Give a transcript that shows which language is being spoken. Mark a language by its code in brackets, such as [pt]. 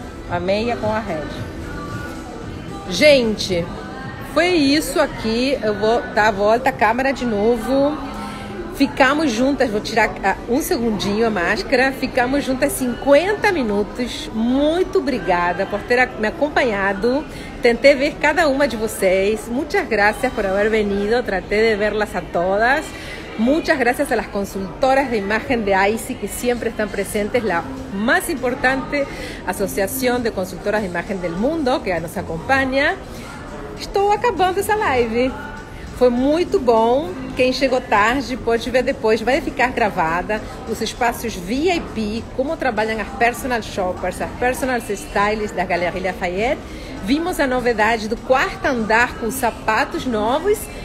[pt] A meia com a rede. Gente, foi isso aqui. Eu vou dar a volta à câmera de novo. Ficamos juntas. Vou tirar um segundinho a máscara. Ficamos juntas 50 minutos. Muito obrigada por ter me acompanhado. Tentei ver cada uma de vocês. [es] Muchas gracias por haber venido. Traté de verlas a todas. Muchas gracias a las consultoras de imagen de ICI que siempre están presentes, la más importante asociación de consultoras de imagen del mundo que nos acompaña. [pt] Estou acabando essa live. Foi muito bom. Quem chegou tarde pode ver depois. Vai ficar gravada. Os espaços VIP, como trabalham as personal shoppers, as personal stylists da Galeria Lafayette. Vimos a novidade do quarto andar com sapatos novos.